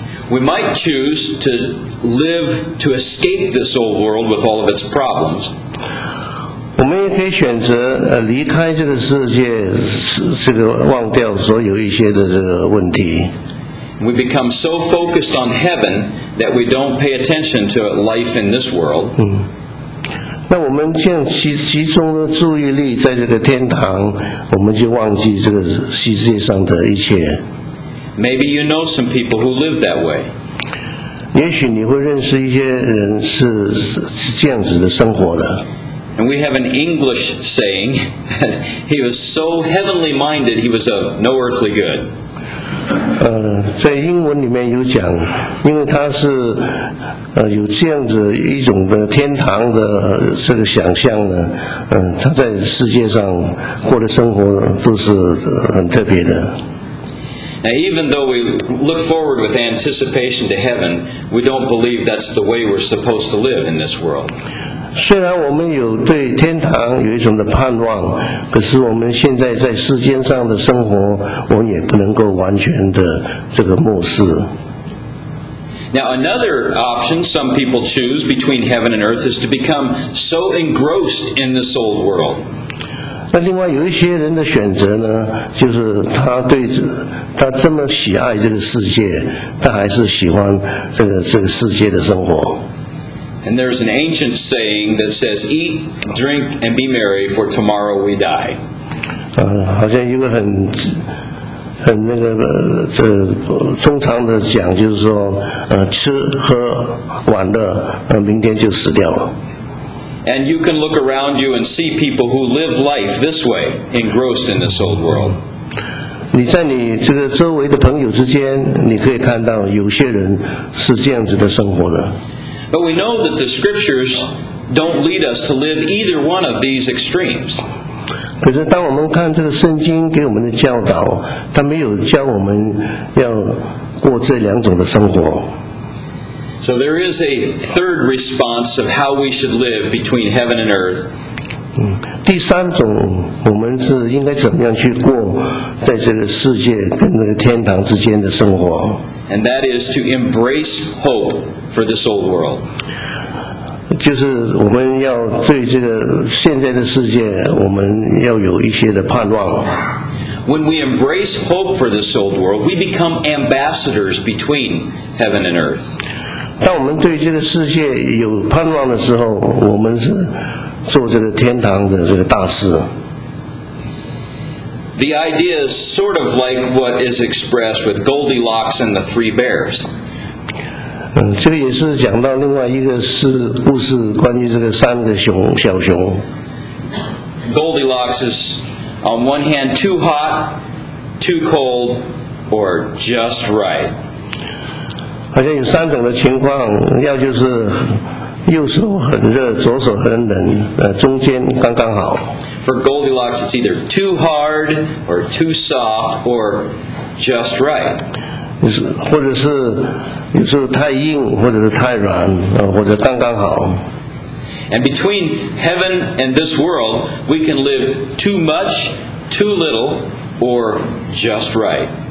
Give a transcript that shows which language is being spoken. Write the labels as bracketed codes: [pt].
[en] We might choose to live to escape this old world with all of its problems. [zh] 我们也可以选择离开这个世界，这个忘掉所有一些的这个问题。 [en] We become so focused on heaven that we don't pay attention to life in this world. [zh] 那我们这样集中的注意力在这个天堂，我们就忘记这个世界上的一切。 [en] Maybe you know some people who live that way. [zh] 也许你会认识一些人是这样子的生活的。 [en] And we have an English saying that he was so heavenly minded, he was of no earthly good. [zh] 在英文里面有讲，因为他是。有这样子一种的天堂的这个想象呢，他在世界上过的生活都是很特别的。 [en] Now, even though we look forward with anticipation to heaven, we don't believe that's the way we're supposed to live in this world. [zh] 虽然我们有对天堂有一种的盼望，可是我们现在在世间上的生活，我们也不能够完全的这个漠视。 [en] Now another option some people choose between heaven and earth is to become so engrossed in this old world. [zh] 那另外有一些人的选择呢，就是他这么喜爱这个世界，他还是喜欢这个世界的生活。 [en] And there's an ancient saying that says, "Eat, drink, and be merry, for tomorrow we die." [zh] 好像一个很那个通常的讲就是说吃喝玩乐明天就死掉了。 [en] And you can look around you and see people who live life this way, engrossed in this old world. [zh] 你在你这个周围的朋友之间，你可以看到有些人是这样子的生活的。 [en] But we know that the scriptures don't lead us to live either one of these extremes. [zh] 可是当我们看这个圣经给我们的教导，它没有教我们要过这两种的生活。 [en] So there is a third response of how we should live between heaven and earth. [zh] 第三种我们是应该怎么样去过在这个世界跟这个天堂之间的生活。 [en] And that is to embrace hope for this old world. [zh] 就是我们要对这个现在的世界，我们要有一些的盼望。 [en] When we embrace hope for this old world, we become ambassadors between heaven and earth. [zh] 当我们对这个世界有盼望的时候，我们是做这个天堂的这个大使。 [en] the idea is sort of like what is expressed with Goldilocks and the Three Bears. [zh] 这也是讲到另外一个故事 关于这个三个熊小熊 [en] Goldilocks is on one hand too hot, too cold, or just right. [zh] 好像有三种的情况 要就是右手很热左手很冷中间刚刚好 [en] For Goldilocks it's either too hard or too soft or just right. [zh] 或者是有时候太硬或者是太软或者刚刚好 [en] And between heaven and this world we can live too much, too little or just right.